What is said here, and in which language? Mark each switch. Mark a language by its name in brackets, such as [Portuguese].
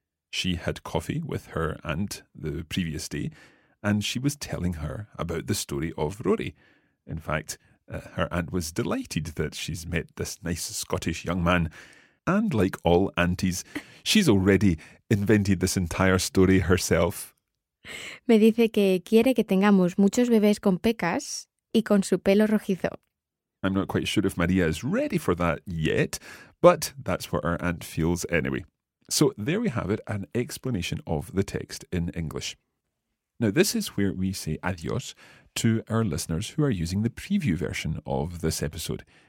[English] She had coffee with her aunt the previous day and she was telling her about the story of Rory. In fact, her aunt was delighted that she's met this nice Scottish young man. And like all aunties, she's already invented this entire story herself. [Spanish] Me dice que quiere que tengamos muchos bebés con pecas y con su pelo rojizo. [English] I'm not quite sure if María is ready for that yet, but that's what her aunt feels anyway. So there we have it, an explanation of the text in English. Now, this is where we say adios to our listeners who are using the preview version of this episode.